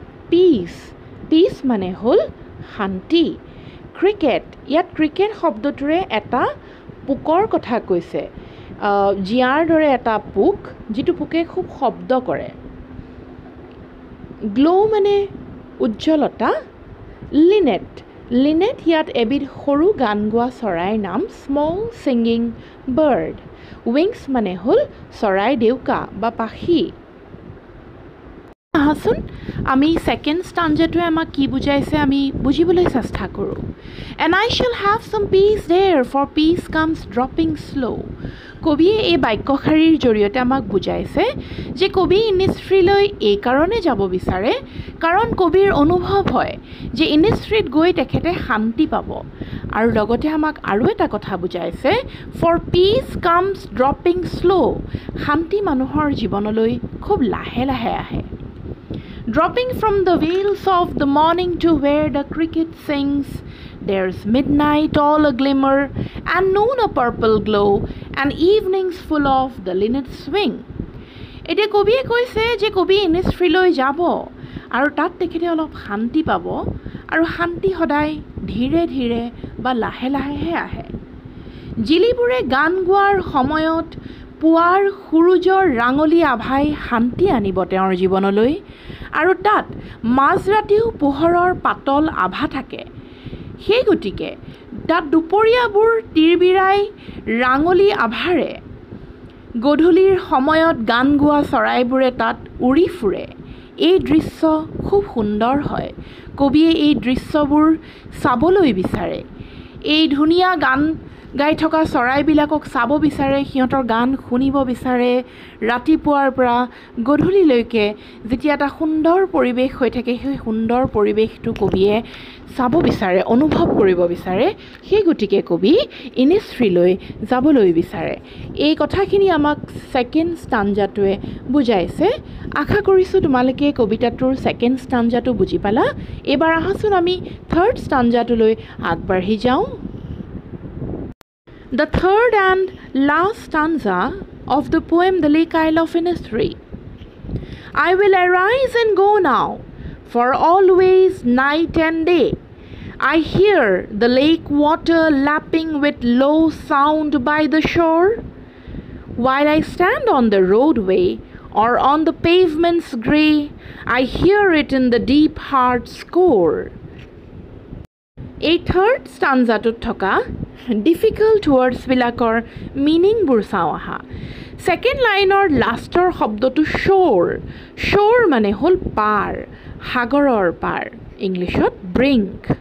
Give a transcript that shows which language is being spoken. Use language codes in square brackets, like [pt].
[as] Piece, piece মানে হ'ল শান্তি। ক্ৰিকেট, ইয়াত ক্ৰিকেট শব্দটোৰে এটা পোকৰ কথা কৈছে, জিয়াৰ দৰে এটা পোক যিটো পোকে খুব শব্দ কৰে। গ্ল' মানে উজ্জ্বলতা। লিনেট, লিনেট ইয়াত এবিধ সৰু গান গোৱা চৰাইৰ নাম, [en] Small singing bird. [as] উইংছ মানে হ'ল চৰাই ডেউকা বা পাখি। আহাচোন আমি ছেকেণ্ড স্টাঞ্জাটোৱে আমাক কি বুজাইছে আমি বুজিবলৈ চেষ্টা কৰোঁ। [en] and I shall have some peace there for peace comes dropping slow' [as] কবিয়ে এই বাক্যশাৰীৰ জৰিয়তে আমাক বুজাইছে যে কবি ইনিষ্ট্ৰীলৈ এইকাৰণে যাব বিচাৰে কাৰণ কবিৰ অনুভৱ হয় যে ইনিষ্ট্ৰীত গৈ তেখেতে শান্তি পাব। আৰু লগতে আমাক আৰু এটা কথা বুজাইছে, [en] for peace comes dropping slow' [as] শান্তি মানুহৰ জীৱনলৈ খুব লাহে লাহে আহে। [en] Dropping from the wheels of the morning to where the cricket sings, there's midnight all a glimmer and noon a purple glow and evenings full of the linnet swing. [as] এতে কবিয়ে কৈছে যে কবি ইনিষ্ট্ৰীলৈ যাব আৰু তাত তেখেতে অলপ শান্তি পাব আৰু শান্তি সদায় ধীৰে ধীৰে বা লাহে লাহেহে আহে। জিলিবোৰে গান গোৱাৰ সময়ত পুৱাৰ সূৰ্যৰ ৰাঙলী আভাই শান্তি আনিব তেওঁৰ জীৱনলৈ আৰু তাত মাজৰাতিও পোহৰৰ পাতল আভা থাকে। সেই গতিকে তাত দুপৰীয়াবোৰ তিৰবিৰাই ৰাঙলী আভাৰে গধূলিৰ সময়ত গান গোৱা চৰাইবোৰে তাত উৰি ফুৰে। এই দৃশ্য খুব সুন্দৰ হয়। কবিয়ে এই দৃশ্যবোৰ চাবলৈ বিচাৰে, এই ধুনীয়া গান গাই থকা চৰাইবিলাকক চাব বিচাৰে, সিহঁতৰ গান শুনিব বিচাৰে। ৰাতিপুৱাৰ পৰা গধূলিলৈকে যেতিয়া এটা সুন্দৰ পৰিৱেশ হৈ থাকে, সেই সুন্দৰ পৰিৱেশটো কবিয়ে চাব বিচাৰে, অনুভৱ কৰিব বিচাৰে। সেই গতিকে কবি ইনিষ্ট্ৰীলৈ যাবলৈ বিচাৰে। এই কথাখিনি আমাক ছেকেণ্ড স্টাঞ্জাটোৱে বুজাইছে। আশা কৰিছোঁ তোমালোকে কবিতাটোৰ ছেকেণ্ড স্টাঞ্জাটো বুজি পালা। এইবাৰ আহাচোন আমি থাৰ্ড স্টাঞ্জাটোলৈ আগবাঢ়ি যাওঁ। [en] The third and last stanza of the poem The Lake Isle of Innisfree. I will arise and go now, for always night and day. I hear the lake water lapping with low sound by the shore. While I stand on the roadway or on the pavement's gray, I hear it in the deep heart's core. [as] এই third স্টাঞ্জাটোত থকা difficult ৱৰ্ডছবিলাকৰ মিনিংবোৰ চাওঁ আহা। Second লাইনৰ লাষ্টৰ শব্দটো শ্ব'ৰ। শ্ব'ৰ মানে হ'ল পাৰ, সাগৰৰ পাৰ, ইংলিছত ব্ৰিংক।